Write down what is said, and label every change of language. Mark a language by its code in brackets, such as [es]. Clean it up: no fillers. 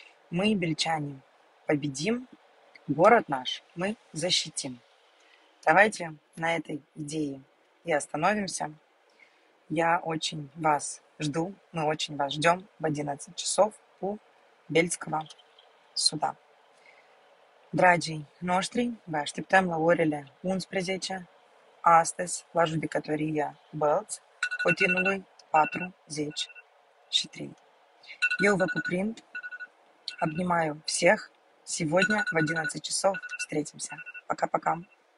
[ru] Мы, бельчане, победим. Город наш мы защитим. Давайте на этой идее и остановимся. Я очень вас жду, мы очень вас ждем в 11 часов у Бельцкого суда. [ro] Dragii noștri, vă așteptăm la orele 11, astăzi la judecătoria Bălți, potinului 43. Eu vă cuprind, [ru] обнимаю всех. Сегодня в 11 часов встретимся. Пока-пока.